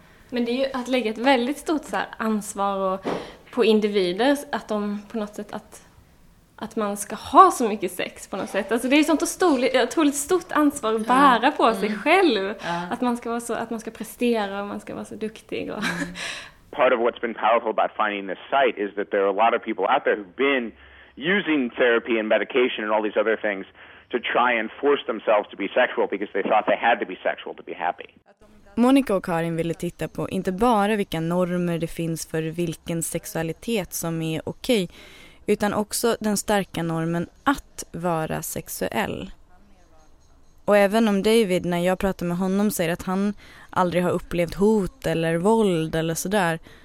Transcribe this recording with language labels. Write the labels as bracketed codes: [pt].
[sv] Men det är ju att lägga ett väldigt stort så här, ansvar och, på individer att de på något sätt att man ska ha så mycket sex på något sätt. Alltså det är sånt otroligt stort ansvar att bära på sig själv. Mm. Att man ska vara så, att man ska prestera och man ska vara så duktig och... [en] Part of what's been powerful about finding this site is that there are a lot of people out there who've been using therapy and medication and all these other things to try and force themselves to be sexual because they thought they had to be sexual to be happy. [sv] Monica och Karin ville titta på inte bara vilka normer det finns för vilken sexualitet som är okej, utan också den starka normen att vara sexuell. Och även om David, när jag pratar med honom, säger att han aldrig har upplevt hot eller våld eller sådär.